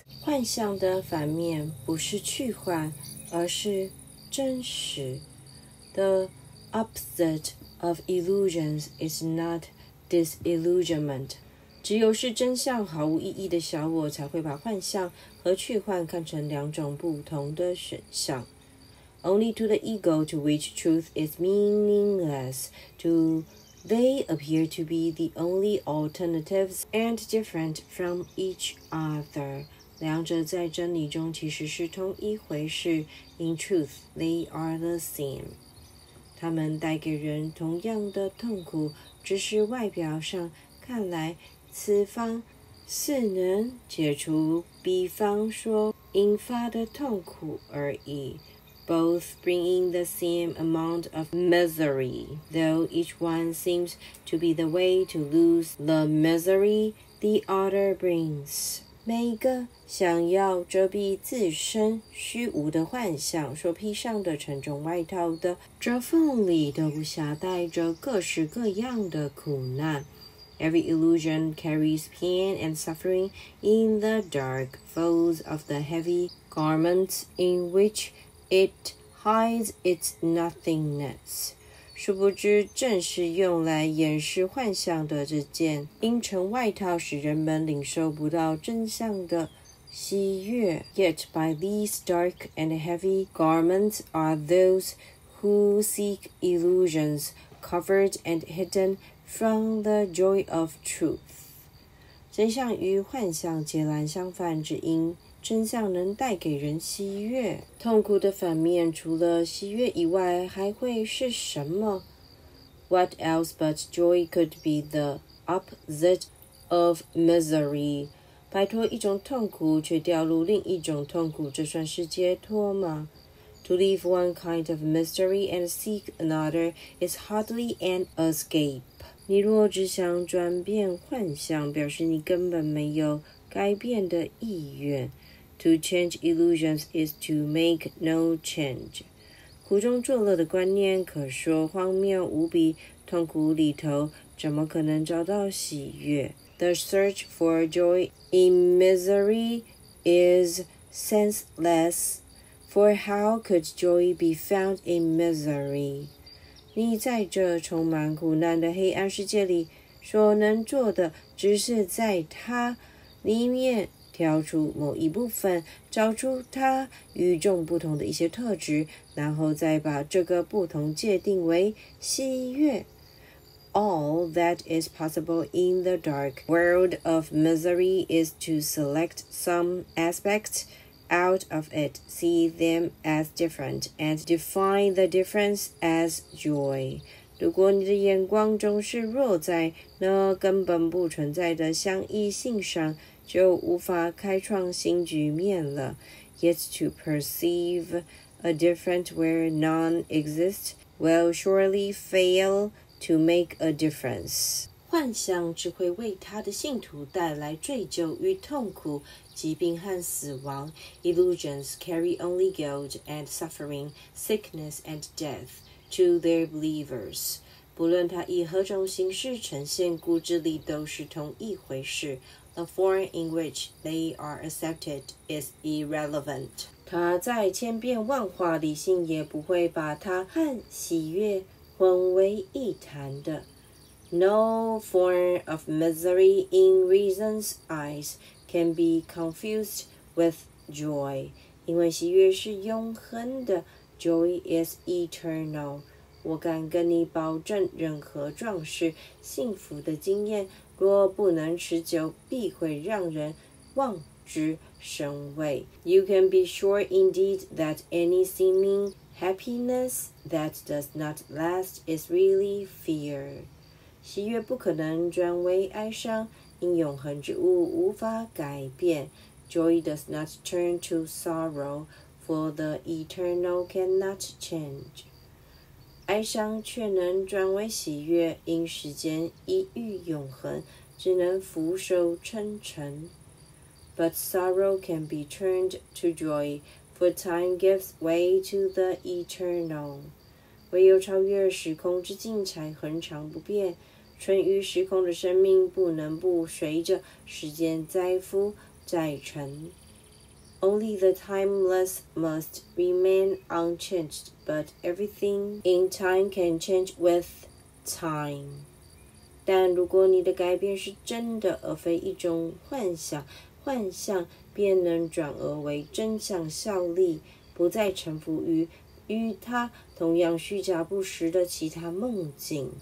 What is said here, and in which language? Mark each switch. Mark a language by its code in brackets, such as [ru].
[zh] 幻象的反面不是去幻，而是真实。 [en] The opposite of illusions is not disillusionment. [zh] 只有是真相毫无意义的小我，才会把幻象和去幻看成两种不同的选项。 [en] Only to the ego to which truth is meaningless do they appear to be the only alternatives and different from each other. [zh] 两者在真理中其实是同一回事。 [en] In truth, they are the same. [zh] 他们带给人同样的痛苦，只是外表上看来此方似能解除彼方说引发的痛苦而已。 [en] Both bring in the same amount of misery, though each one seems to be the way to lose the misery the other brings. [zh] 每一个想要遮蔽自身虚无的幻象所披上的沉重外套的折缝里，都携带着各式各样的苦难。 [en] Every illusion carries pain and suffering in the dark folds of the heavy garments in which it hides its nothingness。 [zh] 殊不知，正是用来掩饰幻象的这件阴沉外套，使人们领受不到真相的喜悦。 [en] Yet by these dark and heavy garments are those who seek illusions covered and hidden from the joy of truth. [zh] 真相与幻象截然相反，只因真相能带给人喜悦。痛苦的反面除了喜悦以外还会是什么？ [en] What else but joy could be the opposite of misery? [zh] 摆脱一种痛苦却掉入另一种痛苦，这算是解脱吗？ [en] To leave one kind of mystery and seek another is hardly an escape. [zh] 你若只想转变幻象，表示你根本没有改变的意愿。 [en] To change illusions is to make no change. [zh] 苦中作乐的观念可说荒谬无比，痛苦里头怎么可能找到喜悦？ [en] The search for joy in misery is senseless. For how could joy be found in misery? [zh] 你在这充满苦难的黑暗世界里，所能做的只是在它里面挑出某一部分，找出它与众不同的一些特质，然后再把这个不同界定为喜悦。 [en] All that is possible in the dark world of misery is to select some aspects out of it, see them as different, and define the difference as joy. [zh] 如果你的眼光总是落在那根本不存在的相异性上，就无法开创新局面了。 [en] Yet to perceive a difference where none exists will surely fail to make a difference. [zh] 幻象只会为他的信徒带来罪疚与痛苦、疾病和死亡。 [en] Illusions carry only guilt and suffering, sickness and death. To their believers, [zh] 不论它以何种形式呈现，骨子里都是同一回事。 [en] The form in which they are accepted is irrelevant. [zh] 它在千变万化，理性也不会把它和喜悦混为一谈的。 [en] No form of misery in reason's eyes can be confused with joy, [zh] 因为喜悦是永恒的。 [en] Joy is eternal. [zh] 我敢跟你保证，任何壮士幸福的经验，若不能持久，必会让人望之生畏。 [en] You can be sure indeed that any seeming happiness that does not last is really fear. [zh] 喜悦不可能转为哀伤，因永恒之物无法改变。 [en] Joy does not turn to sorrow, for the eternal cannot change. [zh] 哀伤却能转为喜悦，因时间一遇永恒，只能俯首称臣。 [en] But sorrow can be turned to joy, for time gives way to the eternal. [zh] 唯有超越时空之境才恒长不变，存于时空的生命不能不随着时间载浮载沉。 [en] Only the timeless must remain unchanged, but everything in time can change with time. [zh] 但如果你的改变是真的而非一种幻想，幻象便能转而为真相效力，不再臣服于与它同样虚假不实的其他梦境。